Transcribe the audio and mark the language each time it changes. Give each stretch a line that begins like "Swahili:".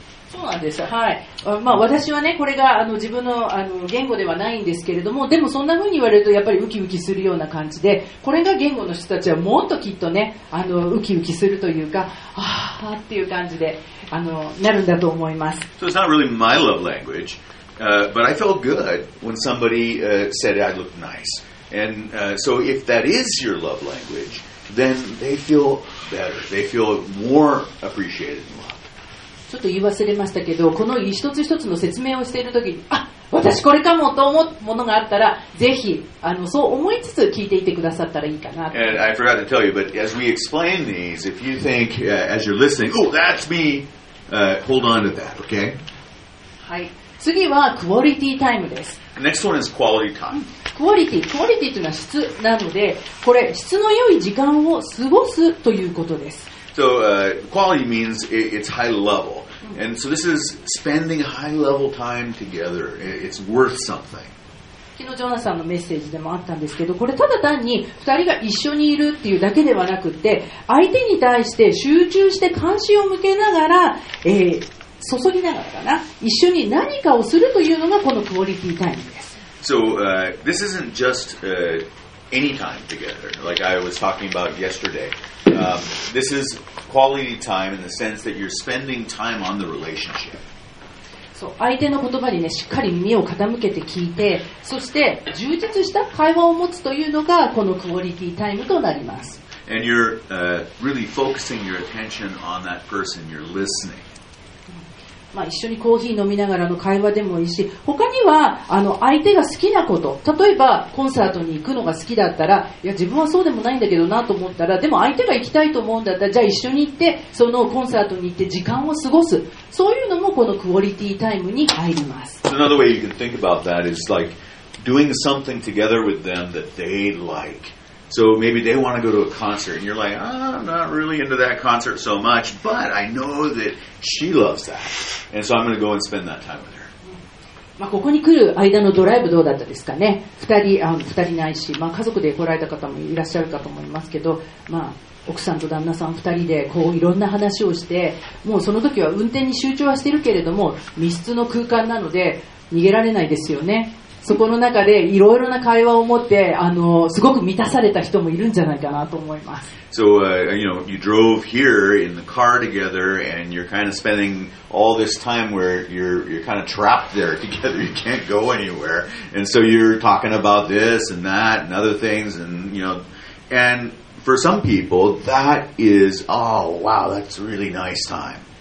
Japanese: そうなんです。はい。まあ私はね、これが自分の言語ではないんですけれども、でもそんな風に言われるとやっぱりウキウキするような感じで、これが言語の人たちはもっときっとね、ウキウキするというか、ああっていう感じでなるんだと思います。
English: So it's not really my love language, but I felt good when somebody said I looked nice. And so if that is your love language,Then they feel better. They feel more appreciated and loved.
Japanese: ちょっと言い忘れましたけど、この一つ一つの説明をしているときに、あ、私これかもと思うものがあったら、ぜひそう思いつつ聞いていてくださったらいいかな。
English: And I forgot to tell you, but as we explain these, if you think as you're listening, oh, that's me, hold on to that, okay?
Japanese: はい。次はクオリティタイムです。
English: Next one is quality time.
Japanese: クオリティ、クオリティというのは質なので、これ質の良い時間を過ごすということです。
English: So, quality means it's high level. And so this is spending high level time together. It's worth something.
Japanese: 昨日ジョナサンのメッセージでもあったんですけど、これただ単に2人が一緒にいるっていうだけではなくて、相手に対して集中して関心を向けながら、注ぎながらかな、一緒に何かをするというのがこのクオリティタイムです。
English: So, this isn't just, any time together, like I was talking about yesterday. This is quality time in the sense that you're spending time on the relationship.
Japanese: そう、相手の言葉に、ね、しっかり耳を傾けて聞いて、そして充実した会話を持つというのがこのクオリティタイムとなります。
English: And you're, really focusing your attention on that person. You're listening.
Japanese: まあ、一緒にコーヒー飲みながらの会話でもいいし、他にはあの相手が好きなこと、例えばコンサートに行くのが好きだったら、いや自分はそうでもないんだけどなと思ったら、でも相手が行きたいと思うんだったら、じゃあ一緒に行ってそのコンサートに行って時間を過ごす、そういうのもこのクオリティタイムに入ります。
English: So another way you can think about that is like doing something together with them that they like. So maybe they want to go to a concert and you're like, I'm not really into that concert so much, but I know that she loves that. And so I'm going to go and spend that time with her.
Japanese: まあ、ここに来る間のドライブどうだったですかね。二人ないし、まあ、家族で来られた方もいらっしゃるかと思いますけど、まあ、奥さんと旦那さん二人でこういろんな話をして、もうその時は運転に集中はしているけれども、密室の空間なので逃げられないですよね。そこの中でいろいろな会話を持って、すごく満たされた人もいるんじゃないかなと思います。
English: So, you know, you drove here in the car together and you're kind of spending all this time where you're kind of trapped there together. You can't go anywhere. And so you're talking about this and that and other things and, you know, and for some people, that is, oh, wow, that's a really nice time.